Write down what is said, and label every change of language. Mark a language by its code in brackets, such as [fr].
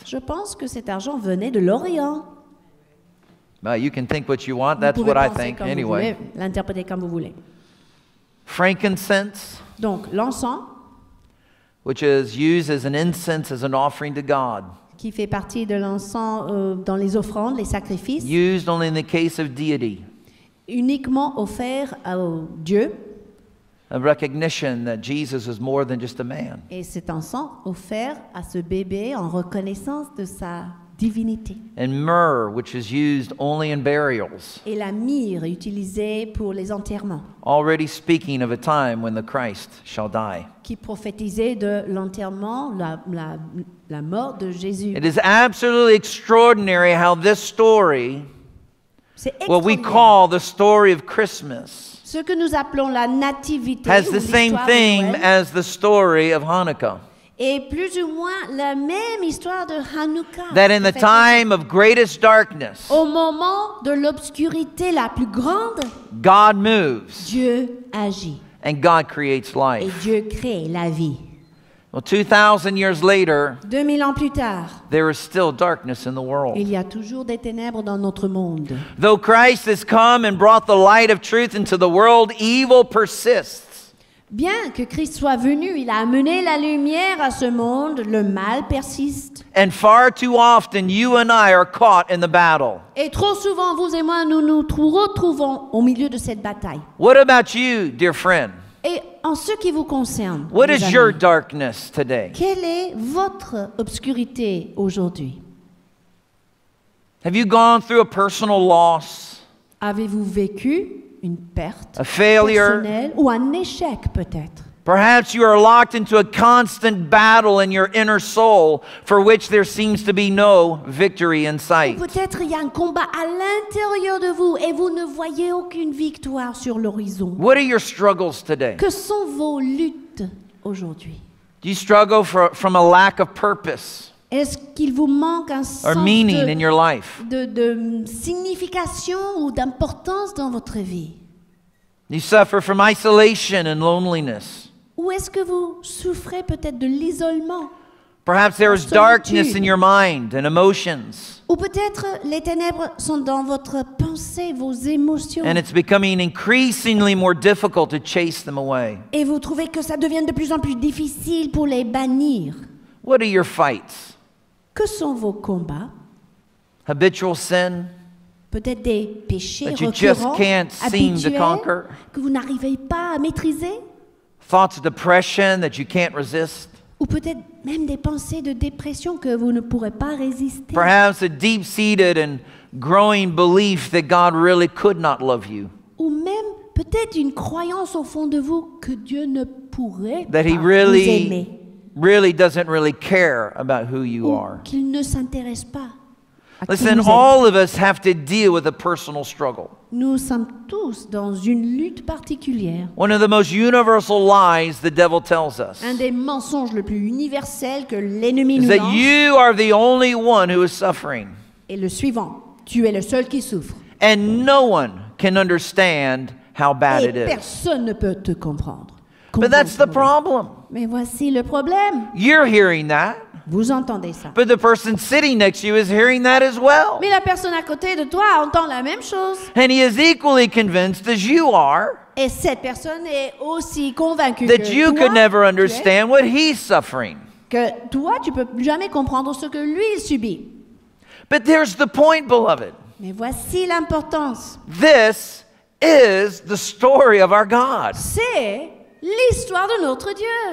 [fr] Je pense que cet argent venait de l'Orient. [en] Well, you can think what you want. [fr] Vous [en] That's what I think anyway. [fr] Vous pouvez l'interpréter comme vous voulez. [en] Frankincense. [fr] Donc l'encens. [en] Which is used as an incense as an offering to God. [fr] Qui fait partie de l'encens dans les offrandes, les sacrifices. [en] Used only in the case of deity. [fr] Uniquement offert au Dieu. [en] A recognition that Jesus is more than just a man. [fr] Et cet encens offert à ce bébé en reconnaissance de sa divinité. [en] And myrrh, which is used only in burials. [fr] Et la myrrhe utilisée pour les enterrements. [en] Already speaking of a time when the Christ shall die. [fr] Qui prophétisait de l'enterrement, la mort de Jésus. [en] It is absolutely extraordinary how this story, what we call the story of Christmas, [fr] ce que nous appelons la nativité, [en] has the same theme [fr] Noël, [en] as the story of Hanukkah. [fr] Et plus ou moins la même histoire de Hanukkah. [en] That in the time of greatest darkness, [fr] au moment de l'obscurité la plus grande, [en] God moves. [fr] Dieu agit. [en] And God creates life. [fr] Et Dieu crée la vie. [en] Well, 2,000 years later, [fr] 2000 ans plus tard, [en] there is still darkness in the world. [fr] Il y a toujours des ténèbres dans notre monde. [en] Though Christ has come and brought the light of truth into the world, evil persists. [fr] Bien que Christ soit venu, il a amené la lumière à ce monde, le mal persiste. [en] And far too often you and I are caught in the battle. [fr] Et trop souvent vous et moi nous nous retrouvons au milieu de cette bataille. [en] What about you, dear friend? [fr] Et en ce qui vous concerne, [en] what is your darkness today? [fr] Quelle est votre obscurité aujourd'hui? [en] Have you gone through a personal loss? [fr] Avez-vous vécu une perte, [en] a failure, [fr] personnelle, ou un échec peut-être? [en] Perhaps you are locked into a constant battle in your inner soul for which there seems to be no victory in sight. [fr] Peut-être il y a un combat à l'intérieur de vous et vous ne voyez aucune victoire sur l'horizon. [en] What are your struggles today? [fr] Que sont vos luttes aujourd'hui? [en] Do you struggle from a lack of purpose? [fr] Est-ce qu'il vous manque un sens de signification ou d'importance dans votre vie? [en] You suffer from isolation and loneliness. [fr] Ou est-ce que vous souffrez peut-être de l'isolement? [en] Perhaps there is darkness in your mind and emotions. [fr] Ou peut-être les ténèbres sont dans votre pensée, vos émotions. [en] And it's becoming increasingly more difficult to chase them away. [fr] Et vous trouvez que ça devient de plus en plus difficile pour les bannir. [en] What are your fights? [fr] Que sont vos combats? [en] Habitual sin. [fr] Peut-être des péchés [en] that you just can't seem to conquer. [fr] Que vous n'arrivez pas à maîtriser. [en] Thoughts of depression that you can't resist. [fr] Ou peut-être même des pensées de dépression que vous ne pourrez pas résister. [en] Perhaps a deep-seated and growing belief that God really could not love you. [fr] Ou même peut-être une croyance au fond de vous que Dieu ne pourrait [en] that he really [fr] vous aimer. [en] Really doesn't really care about who you are. [fr] Qu'il ne s'intéresse pas. [en] Listen, all of us have to deal with a personal struggle. [fr] Nous sommes tous dans une lutte particulière. [en] One of the most universal lies the devil tells us. [fr] Un des mensonges le plus universel que l'ennemi nous lance. [en] Is that you are the only one who is suffering. [fr] Et le suivant, tu es le seul qui souffre. [en] And no one can understand how bad it is. [fr] Et personne ne peut te comprendre. [en] But that's the problem. [fr] Mais voici le problème. [en] You're hearing that. [fr] Vous entendez ça. [en] But the person sitting next to you is hearing that as well. [fr] Mais la personne à côté de toi entend la même chose. [en] And he is equally convinced as you are. [fr] Et cette personne est aussi convaincue [en] that [fr] que [en] you [fr] toi, [en] could never understand what he's suffering. [fr] Que toi, tu peux jamais comprendre ce que lui subit. [en] But there's the point, beloved. [fr] Mais voici l'importance. [en] This is the story of our God. [fr] C'est l'histoire de notre Dieu.